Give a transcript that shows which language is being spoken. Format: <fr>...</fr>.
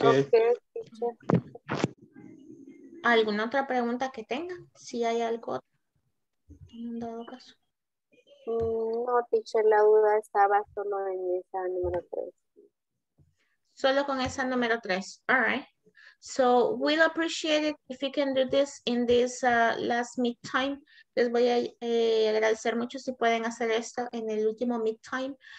<en>Okay.</en> <es>¿Alguna otra pregunta que tengan? Si hay algo en dado caso. No, teacher, la duda estaba solo en esa número 3. Solo con esa número 3. All right.</es> <en>So we'll appreciate it if you can do this in this last midtime.</en> <es>Les voy a agradecer mucho si pueden hacer esto en el último midtime.</es>